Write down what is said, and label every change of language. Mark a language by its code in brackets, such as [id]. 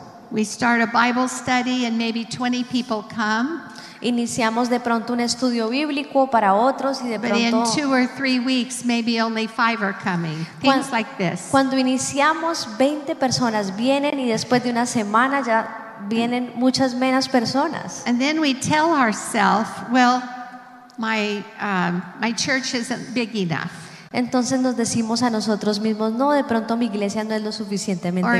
[en] We start a Bible study and maybe 20 people come. [es] Iniciamos de pronto un estudio bíblico para otros y de pronto. [en] But in 2 or 3 weeks, maybe only 5 are coming. Things like this. [es] Cuando iniciamos, 20 personas vienen y después de una semana ya vienen muchas menos personas. [en] And then we tell ourselves, well, my church isn't big enough. [es] Entonces nos decimos a nosotros mismos, no, de pronto mi iglesia no es lo suficientemente